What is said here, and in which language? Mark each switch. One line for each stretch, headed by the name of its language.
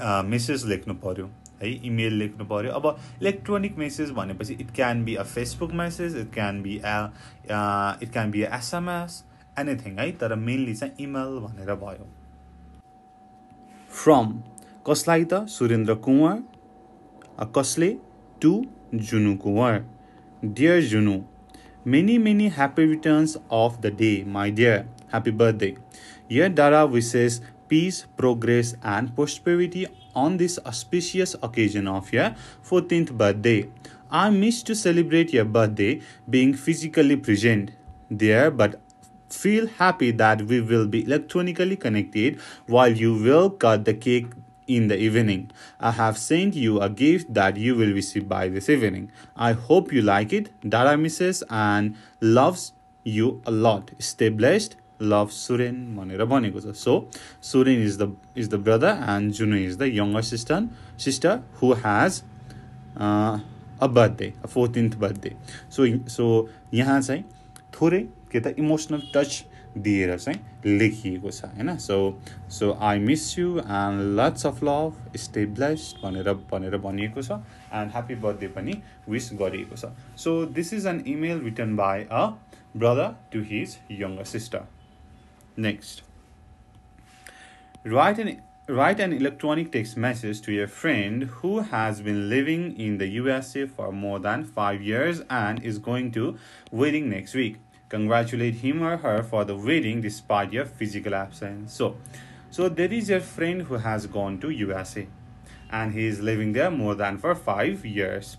Nepali: Message लेख्नु पर्यो है इमेल लेख्नु पर्यो अब इलेक्ट्रोनिक मेसेज भनेपछि
English: it can be a Facebook message it can be a SMS anything
Nepali: है तर मेनली चाहिँ इमेल भनेर भयो फ्रम कसलाई त सुरेन्द्र कुँवर कसले to Junu Kunwar dear Junu
English: Many, many happy returns of the day, my dear. Happy birthday. Your Dada wishes peace, progress and prosperity on this auspicious occasion of your 14th birthday. I miss to celebrate your birthday being physically present there but feel happy that we will be electronically connected while you will cut the cake in the evening. I have sent you a gift that you will receive by this evening. I hope you like it. Dada misses and loves you a lot. Stay blessed. Love Suren. So Suren is the brother and Junu is the younger sister who has a birthday, a 14th birthday.
Nepali: So yahan chai thore ke ta
English: emotional touch
Nepali: दिएर चाहिँ लेखिएको छ होइन
English: so I miss you and lots of love stay blessed
Nepali: भनेर भनिएको छ
English: and happy birthday
Nepali: पनि विस गरिएको छ
English: So this is an email return by a brother to his younger sister next right an Write an electronic text message to your friend who has been living in the USA for more than 5 years and is going to wedding next week. Congratulate him or her for the wedding despite your physical absence. So there is a friend who has gone to USA and he is living there more than for 5 years.